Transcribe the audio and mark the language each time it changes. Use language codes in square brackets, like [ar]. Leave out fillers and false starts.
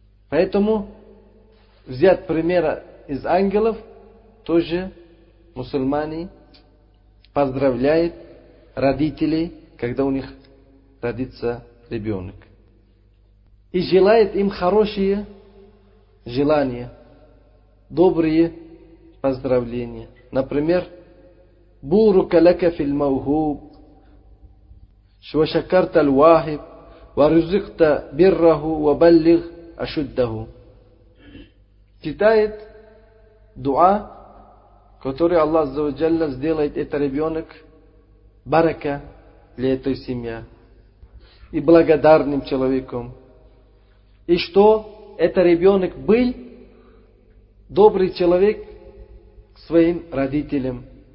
[ru] Поэтому взять пример из ангелов, тоже мусульмане поздравляют родителей, когда у них родится ребенок. И желает им хорошие желания, добрые поздравления. Например, [ar] بورك لك في الموهوب وشكرت الواهب ورزقت بره وبلغ أشده. [ru] Читает дуа, который Аллах Азза ва Джалла сделает этот ребенок барака для этой семьи и благодарным человеком. И что этот ребенок был добрый человек своим родителям.